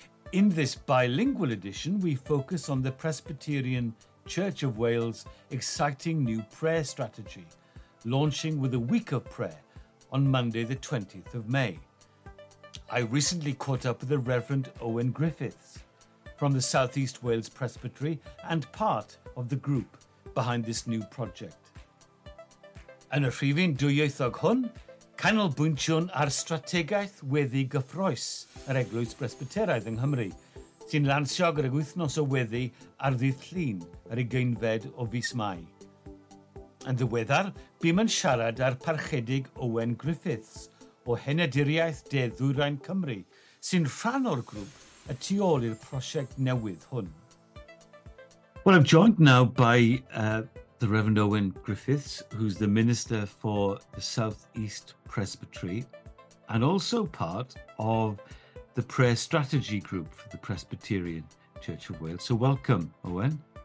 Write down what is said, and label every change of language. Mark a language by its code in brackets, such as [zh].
[en] In this bilingual edition, we focus on the Presbyterian Church of Wales' exciting new prayer strategy, launching with a week of prayer on Monday the 20th of May. I recently caught up with the Reverend Owen Griffiths from the South East Wales Presbytery and part of the group behind this new project. [cy] Yn y rhifin dwyieithog hwn, canolbwyntiwn ar strategaeth weddi gyffroes yr Eglwys Presbyteraidd yng Nghymru, sy'n lansio gyda wythnos o weddi ar ddydd Llun yr 20fed o fis Mai. Yn ddiweddar, bum yn siarad â'r parchedig Owen Griffiths o Henaduriaeth De Ddwyrain Cymru sy'n rhan o'r grŵp y tu ôl i'r prosiect newydd hwn. [en] Well, I'm joined now by the Reverend Owen Griffiths, who's the Minister for the South East Presbytery and also part of the Prayer Strategy Group for the Presbyterian Church of Wales. So welcome, Owen.